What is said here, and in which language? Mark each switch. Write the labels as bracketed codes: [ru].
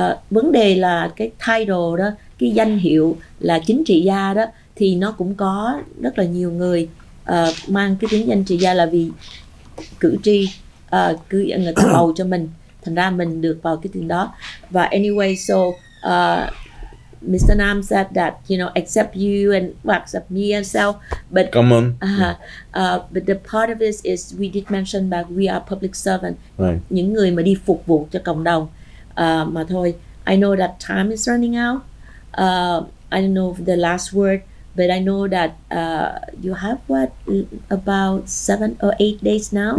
[vi] Vấn đề là cái title đó, cái danh hiệu là chính trị gia đó, thì nó cũng có rất là nhiều người mang cái tiếng danh trị gia là vì cử tri, cứ người ta bầu cho mình, thành ra mình được vào cái tiếng đó. [en] Và anyway, so Mr. Nam said that, you know, except you and well, except me and self, but come on. But the part of this is we did mention that we are public servant. Right. [vi] Những người mà đi phục vụ cho cộng đồng. Mà thôi, [en] I know that time is running out. I don't know the last word, but I know that you have what about 7 or 8 days now?